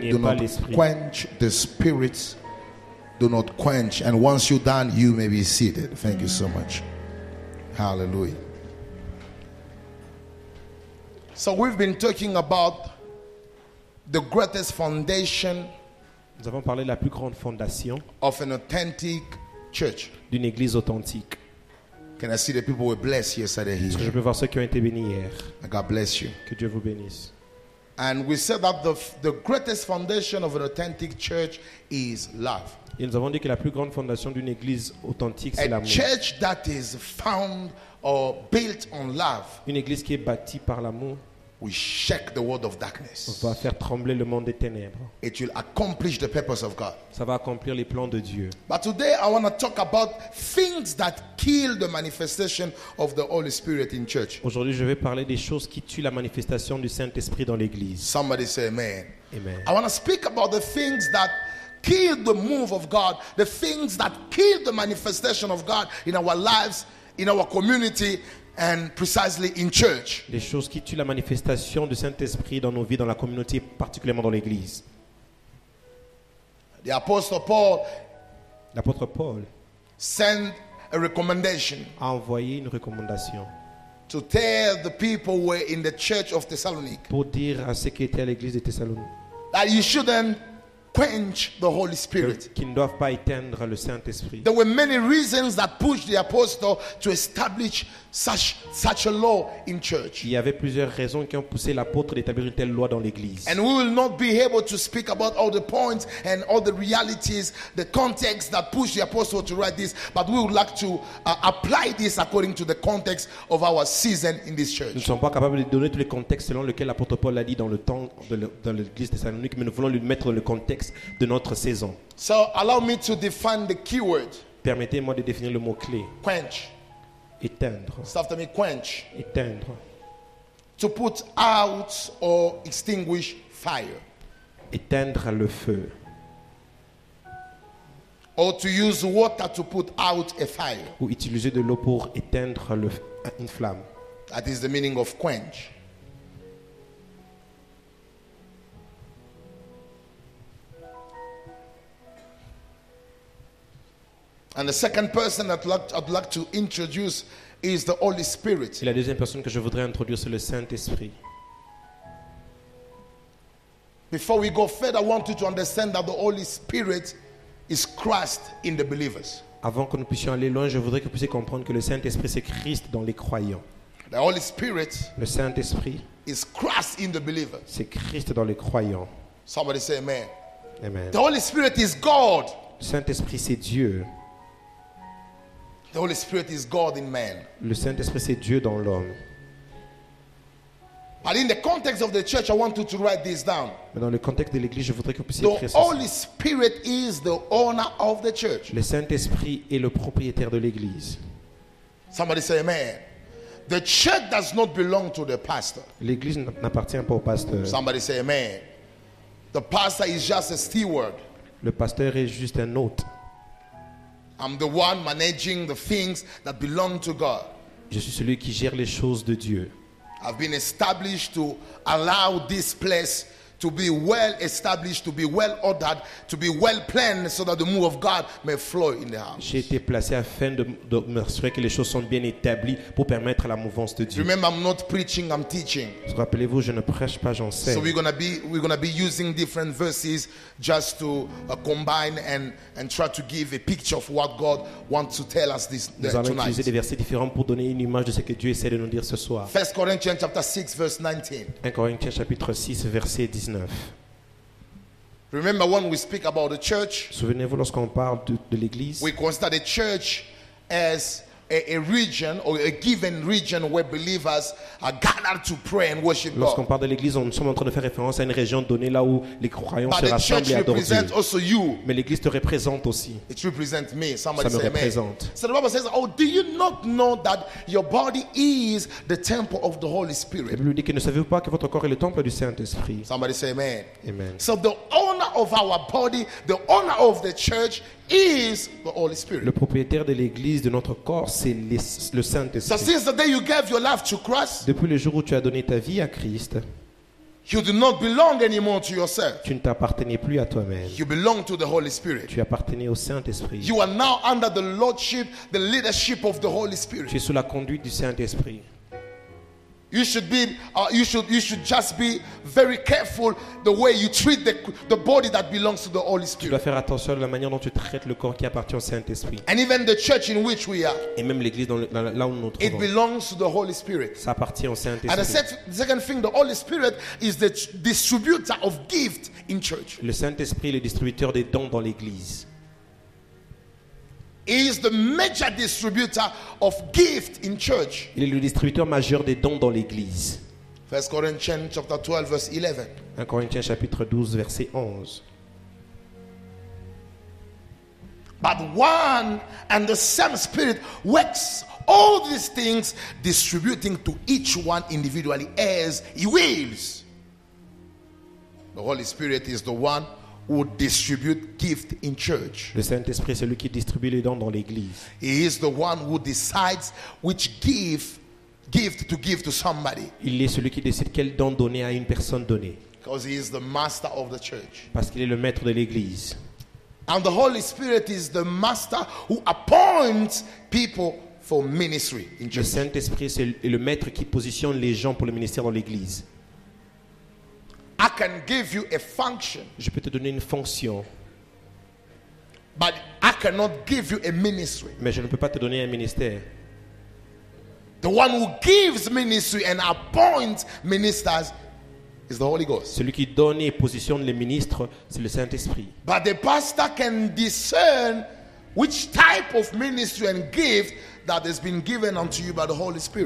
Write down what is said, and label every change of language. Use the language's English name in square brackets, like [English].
[English] Do not quench the spirit. Do not quench. And once you're done, you may be seated. Thank you so much. Hallelujah. So we've been talking about the greatest foundation. [French] Nous avons parlé de la plus grande fondation [English] of an authentic church. [French] D'une église authentique. [English] Can I see the people were blessed yesterday here? [French] Est-ce que je peux voir ceux qui ont été bénis hier? [English] God bless you. [French] Que Dieu vous bénisse. [English] And we said that the greatest foundation of an authentic church is love. [French] Et nous avons dit que la plus grande fondation d'une église authentique, c'est a l'amour. [English] A church that is found or built on love. [French] Une église qui est bâtie par l'amour. [English] We shake the world of darkness. [French] On va faire trembler le monde des ténèbres. [English] It will accomplish the purpose of God. [French] Ça va accomplir les plans de Dieu. [English] But today I want to talk about things that kill the manifestation of the Holy Spirit in church. [French] Aujourd'hui, je vais parler des choses qui tuent la manifestation du Saint-Esprit dans l'église. [English] Somebody say amen. Amen. I want to speak about the things that kill the move of God, the things that kill the manifestation of God in our lives, in our community. And precisely in church. [French] Les choses qui tuent la manifestation du Saint-Esprit dans nos vies, dans la communauté, particulièrement dans l'église. [English] The Apostle Paul, [French] l'apôtre Paul, [English] sent a recommendation. [French] A envoyé une recommandation. [English] To tell the people who were in the church of Thessalonica. [French] Pour dire à ceux qui étaient à l'église de Thessalonique. [English] That you shouldn't quench the Holy Spirit. [French] Qu'ils ne doivent pas éteindre le Saint-Esprit. [English] There were many reasons that pushed the apostle to establish such a law in church. [French] Il y avait plusieurs raisons qui ont poussé l'apôtre d'établir une telle loi dans l'église. [English] And we will not be able to speak about all the points and all the realities, the context that pushed the apostle to write this, but we would like to apply this according to the context of our season in this church. [French] Nous ne sommes pas capables de donner tous les contextes selon lesquels l'apôtre Paul l'a dit dans le temps dans l'église de Thessalonique, mais nous voulons lui mettre le contexte de notre saison. [English] So allow me to define the keyword. [French] Permettez-moi de définir le mot clé. [English] Quench. [French] Éteindre. [English] So after me, quench. [French] Éteindre. [English] To put out or extinguish fire. [French] Éteindre le feu. [English] Or to use water to put out a fire. [French] Ou utiliser de l'eau pour éteindre une flamme. [English] That is the meaning of quench. And the second person that I'd like to introduce is the Holy Spirit. [French] Et la deuxième personne que je voudrais introduire, c'est le Saint-Esprit. [English] Before we go further, I want you to understand that the Holy Spirit is Christ in the believers. [French] Avant que nous puissions aller loin, je voudrais que vous puissiez comprendre que le Saint-Esprit c'est Christ dans les croyants. [English] The Holy Spirit, [French] le Saint-Esprit, [English] is Christ in the believers. [French] C'est Christ dans les croyants. [English] Somebody say amen. Amen. The Holy Spirit is God. [French] Le Saint-Esprit c'est Dieu. [English] The Holy Spirit is God in man. [French] Le Saint-Esprit c'est Dieu dans l'homme. [English] But in the context of the church, I want you to write this down. [French] Mais dans le contexte de l'église, je voudrais que vous puissiez écrire ceci. [English] The Holy Spirit is the owner of the church. [French] Le Saint-Esprit est le propriétaire de l'église. [English] Somebody say amen. The church does not belong to the pastor. [French] L'église n'appartient pas au pasteur. [English] Somebody say amen. The pastor is just a steward. [French] Le pasteur est juste un hôte. [English] I'm the one managing the things that belong to God. [French] Je suis celui qui gère les choses de Dieu. [English] I've been established to allow this place to be well established, to be well ordered, to be well planned, so that the move of God may flow in the house. [French] J'ai été placé afin de m'assurer que les choses sont bien établies pour permettre la mouvance de Dieu. [English] Remember, I'm not preaching, I'm teaching. [French] Rappelez-vous, je ne prêche pas, j'enseigne. [English] So we're gonna be using different verses just to combine and try to give a picture of what God wants to tell us this tonight. [French] Nous allons utiliser des versets différents pour donner une image de ce que Dieu essaie de nous dire ce soir. 1 Corinthiens chapitre 6 verse 19. 1 Corinthiens chapitre 6 verset 19. [English] Remember when we speak about the church? [French] Souvenez-vous lorsqu'on parle de l'église. [English] We consider the church as a region or a given region where believers are gathered to pray and worship God. [French] Lorsqu'on parle de l'église, on est en train de faire référence à une région donnée là où les croyants se rassemblent et adorent. [English] But the church represents also you. [French] Mais l'église te représente aussi. [English] It represents me. Somebody [French] ça me représente. [English] So the Bible says, "Oh, do you not know that your body is the temple of the Holy Spirit?" [French] La Bible dit que ne savez-vous pas que votre corps est le temple du Saint-Esprit? [English] Somebody say amen. Amen. So the owner of our body, the owner of the church, is the Holy Spirit. [French] Le propriétaire de l'église de notre corps, c'est le Saint-Esprit. [English] So since the day you gave your life to Christ, [French] depuis le jour où tu as donné ta vie à Christ, [English] you do not belong anymore to yourself. [French] Tu ne t'appartenais plus à toi-même. [English] You belong to the Holy Spirit. [French] Tu appartenais au Saint-Esprit. [English] You are now under the lordship, the leadership of the Holy Spirit. [French] Tu es sous la conduite du Saint-Esprit. [English] You should just be very careful the way you treat the body that belongs to the Holy Spirit. [French] Tu dois faire attention à la manière dont tu traites le corps qui appartient au Saint-Esprit. [English] And even the church in which we are. [French] Et même l'église là où nous nous trouvons. [English] It belongs to the Holy Spirit. [French] Ça appartient au Saint-Esprit. [English] And the second thing, the Holy Spirit is the distributor of gifts in church. [French] Le Saint-Esprit est le distributeur des dons dans l'église. [English] He is the major distributor of gift in church. [French] Il est le distributeur majeur des dons dans l'église. [English] 1 Corinthians chapter 12 verse 11. [French] 1 Corinthiens chapitre 12 verset 11. [English] But one and the same Spirit works all these things, distributing to each one individually as he wills. The Holy Spirit is the one who distribute gift in church. [French] Le Saint-Esprit, c'est lui qui distribue les dons dans l'église. [English] He is the one who decides which gift to give to somebody. [French] Il est celui qui décide quel don donner à une personne donnée. [English] Because he is the master of the church. [French] Parce qu'il est le maître de l'église. [English] And the Holy Spirit is the master who appoints people for ministry in church. [French] Le Saint-Esprit, c'est le maître qui positionne les gens pour le ministère dans l'église. [English] I can give you a function. [French] Je peux te donner une fonction. [English] But I cannot give you a ministry. [French] Mais je ne peux pas te donner un ministère. [English] The one who gives ministry and appoints ministers is the Holy Ghost. [French] Celui qui donne et positionne les ministres, c'est le Saint-Esprit. [English] But the pastor can discern which type of ministry and gift that has been given unto you by the Holy Spirit.